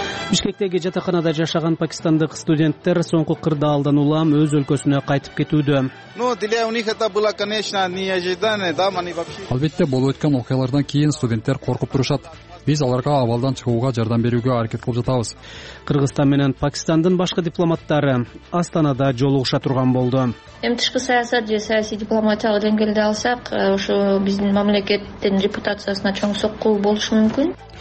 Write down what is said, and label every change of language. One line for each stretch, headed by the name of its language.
Kyrgyz: Бишкектеги жатаканада жашаган пакистандык студенттер соңку кырдаалдан улам өз өлкөсүнө кайтып кетүүдө.
Russian: Ну, для у них это было, конечно, неожиданно, да, они вообще.
Kyrgyz: Албетте, болуп өткөн окуялардан кийин студенттер коркуп турушат. Биз аларга абалдан чыгууга жардам берүүгө аракет кылып жатабыз. Кыргызстан менен Пакистандын башкы дипломаттары Астанада жолугуша турган болду. Эми тышкы саясат же саясий дипломатиялык деңгээлде алсак, ушу биздин мамлекеттин репутациясына чоң соккул болушу мүмкүн.